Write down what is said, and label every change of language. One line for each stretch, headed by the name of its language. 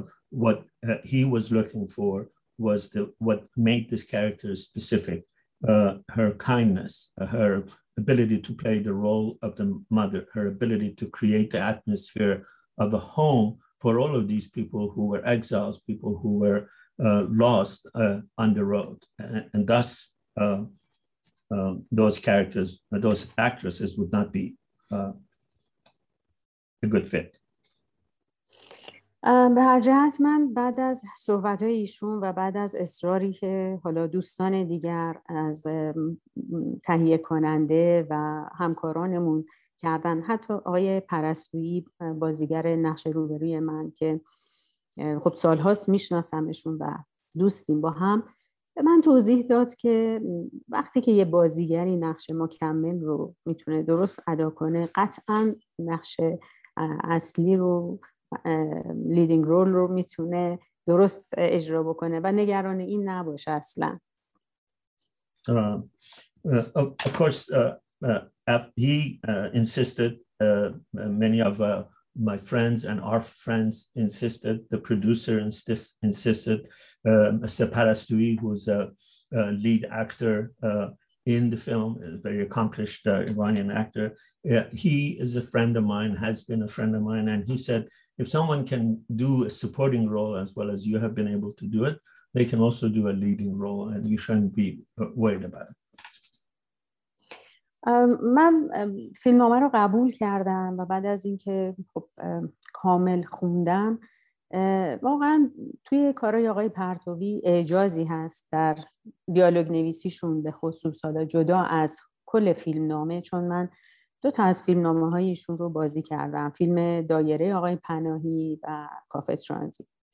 English: What he was looking for was what made this character specific, her kindness, her ability to play the role of the mother, her ability to create the atmosphere of a home for all of these people who were exiles, people who were lost on the road. And thus, those characters, those actresses would not be a good fit.
Persian: به هر جهت من بعد از صحبت‌های ایشون و بعد از اصراری که حالا دوستان دیگر از تهیه کننده و همکارانمون کردن، حتی آقای پرستویی بازیگر نقش روبروی من که خب سالهاست میشناسمشون و دوستیم با هم، به من توضیح داد که وقتی که یه بازیگری نقش مکمل رو میتونه درست ادا کنه قطعا نقش اصلی رو
English: leading role
Persian: رو میتونه درست اجرا بکنه و نگران این نباشه اصلا.
English: Of course he insisted, many of my friends and our friends insisted, the producer insisted, Mr. Parastoei, who was a lead actor in the film, a very accomplished Iranian actor, he is a friend of mine, has been a friend of mine, and he said if someone can do a supporting role as well as you have been able to do it, they can also do a leading role and you shouldn't be worried about it.
Persian: من فیلمنامه رو قبول کردم و بعد از اینکه خب کامل خوندم واقعا توی کارهای آقای پرتوی اعجازی هست در دیالوگ نویسیشون، به خصوص حالا جدا از کل فیلمنامه، چون من دو تا از فیلمنامه هایشون رو بازی کردم، فیلم دایره آقای پناهی و کافه ترانزیت.